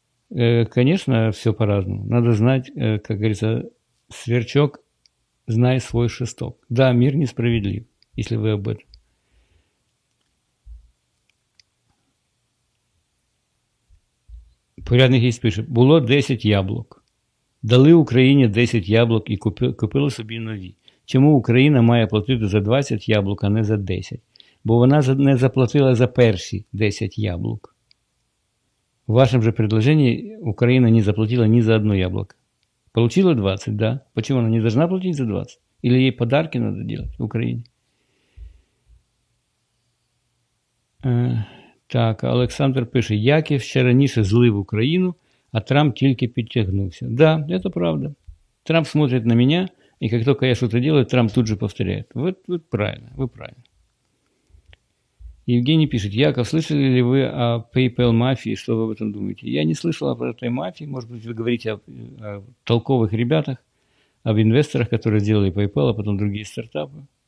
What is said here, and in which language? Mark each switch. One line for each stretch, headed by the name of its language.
Russian: Конечно, все по-разному. Надо знать, как говорится, сверчок, знай свой шесток. Да, мир несправедлив, если вы об этом. Порядник есть, пишет,
Ukrainian: було
Russian: 10 яблок.
Ukrainian: Дали Україні 10 яблок і купили собі нові. Чому Україна має платити за 20 яблок, а не за 10? Бо вона не заплатила за перші 10 яблок. В вашому же предложенні Україна не заплатила ні за одно яблоко.
Russian: Получила 20, да? Почему
Ukrainian: вона
Russian: не должна
Ukrainian: платити
Russian: за 20? Или
Ukrainian: їй
Russian: подарки надо делать в Україні?
Ukrainian: Так, Олександр пише, Яків ще раніше злив Україну, а Трамп тільки підтягнувся.
Russian: Да, это правда. Трамп смотрит на меня, и как только я что-то делаю, Трамп тут же повторяет. Вы правильно, вы правильно. Евгений пишет, Яков, слышали ли вы о PayPal мафии, что вы об этом думаете? Я не слышал об этой мафии, может быть, вы говорите о толковых ребятах, об инвесторах, которые сделали PayPal, а потом другие стартапы.